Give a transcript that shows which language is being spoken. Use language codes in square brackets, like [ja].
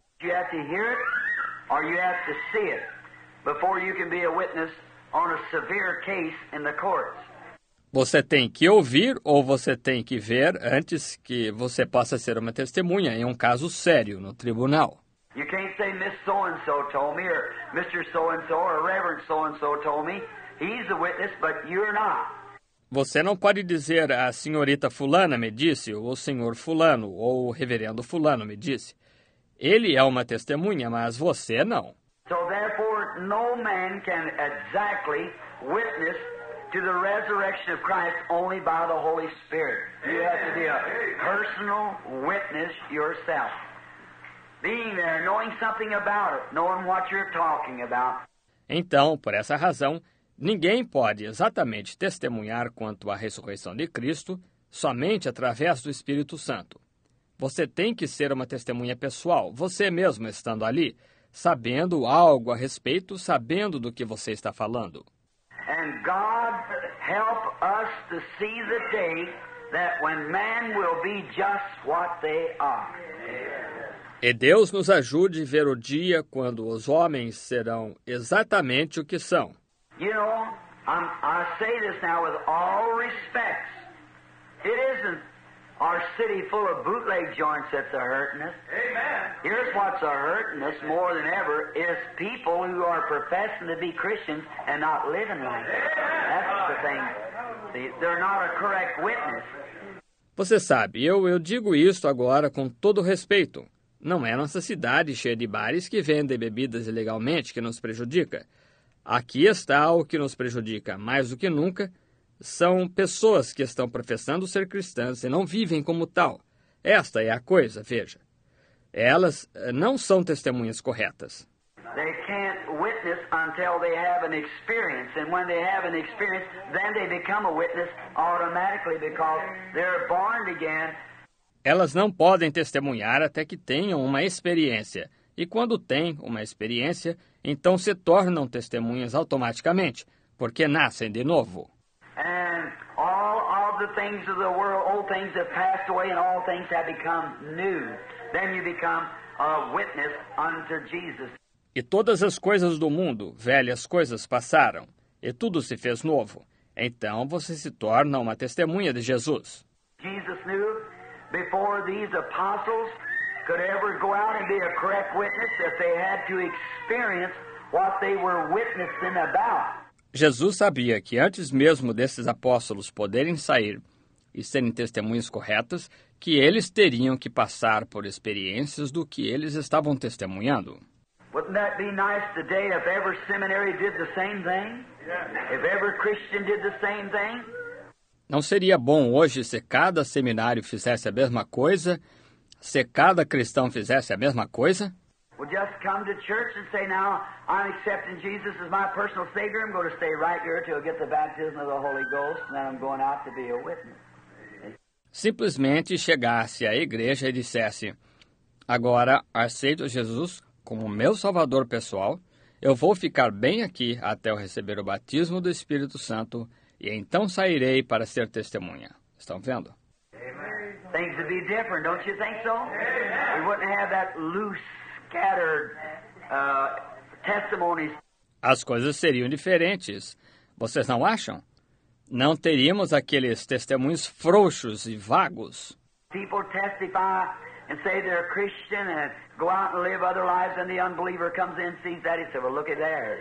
[en] You have to hear it or you have to see it before you can be a witness on a severe case in the courts. [pt] Você tem que ouvir ou você tem que ver antes que você possa ser uma testemunha em um caso sério no tribunal. [en] You can't say Miss So-and-so told me, or Mr. So-and-so, or Reverend So-and-so told me. He's a witness, but you're not. [pt] Você não pode dizer a senhorita fulana me disse, ou o senhor fulano, ou o reverendo fulano me disse. Ele é uma testemunha, mas você não. [en] So therefore, no man can exactly witness to the resurrection of Christ only by the Holy Spirit. You have to be a personal witness yourself. Being there, knowing something about it, knowing what you're talking about. [pt] Então, por essa razão, ninguém pode exatamente testemunhar quanto à ressurreição de Cristo somente através do Espírito Santo. Você tem que ser uma testemunha pessoal, você mesmo estando ali, sabendo algo a respeito, sabendo do que você está falando. [en] And God help us to see the day that when man will be just what they are. [pt] E Deus nos ajude a ver o dia quando os homens serão exatamente o que são. [en] You know, I say this now with all respect. It isn't our city full of bootleg joints that's a hurting us. Amen. Here's what's a hurting us more than ever is people who are professing to be Christians and not living like that. That's the thing. They're not a correct witness. [pt] Você sabe, eu digo isto agora com todo respeito. Não é nossa cidade cheia de bares que vendem bebidas ilegalmente que nos prejudica. Aqui está o que nos prejudica mais do que nunca. São pessoas que estão professando ser cristãs e não vivem como tal. Esta é a coisa, veja. Elas não são testemunhas corretas. [en] They can't witness until they have an experience. And when they have an experience, then they become a witness automatically because they're born again. [pt] Elas não podem testemunhar até que tenham uma experiência. E quando têm uma experiência, então se tornam testemunhas automaticamente, porque nascem de novo. [en] And all of the things of the world, old things have passed away and all things have become new. Then you become a witness unto Jesus. [pt] E todas as coisas do mundo, velhas coisas passaram, e tudo se fez novo. Então você se torna uma testemunha de Jesus. [en] Jesus knew before these apostles could ever go out and be a correct witness if they had to experience what they were witnessing about. [pt] Jesus sabia que antes mesmo desses apóstolos poderem sair e serem testemunhas corretas, que eles teriam que passar por experiências do que eles estavam testemunhando. [en] Wouldn't that be nice today if every seminary did the same thing? Yeah. If every Christian did the same thing? [pt] Não seria bom hoje se cada seminário fizesse a mesma coisa? Se cada cristão fizesse a mesma coisa? [en] Well, just come to church and say, now, I'm accepting Jesus as my personal Savior. I'm going to stay right here till I get the baptism of the Holy Ghost, and then I'm going out to be a witness. [pt] Simplesmente chegasse à igreja e dissesse, agora aceito Jesus como meu Salvador pessoal, eu vou ficar bem aqui até eu receber o batismo do Espírito Santo e então sairei para ser testemunha. Estão vendo? [en] Things would be different, don't you think so? We wouldn't have that loose, scattered testimonies. [pt] As coisas seriam diferentes. Vocês não acham? Não teríamos aqueles testemunhos frouxos e vagos. [en] People testify and say they're a Christian and go out and live other lives, and the unbeliever comes in, sees that, and says, well, look at there.